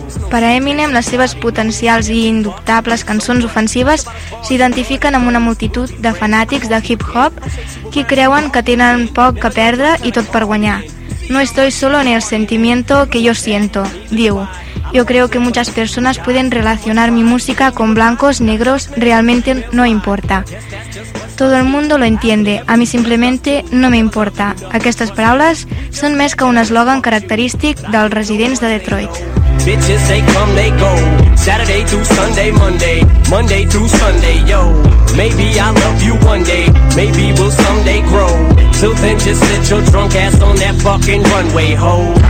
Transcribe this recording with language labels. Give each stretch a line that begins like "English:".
Catalan: Per a Eminem, les seves potencials i indubtables cançons ofensives s'identifiquen amb una multitud de fanàtics de hip-hop que creuen que tenen poc que perdre i tot per guanyar.
Spanish: No estoy solo en el sentimiento que yo siento,
Catalan: diu.
Spanish: Yo creo que muchas personas pueden relacionar mi música con blancos, negros, realmente no importa. Todo el mundo lo entiende, a mí simplemente no me importa.
Catalan: Aquestes paraules són més que un eslògan característic dels residents de Detroit.
English: Bitches, they come, they go. Saturday through Sunday, Monday. Monday through Sunday, yo. Maybe I'll love you one day. Maybe we'll someday grow. Till then, just sit your drunk ass on that fucking runway, ho.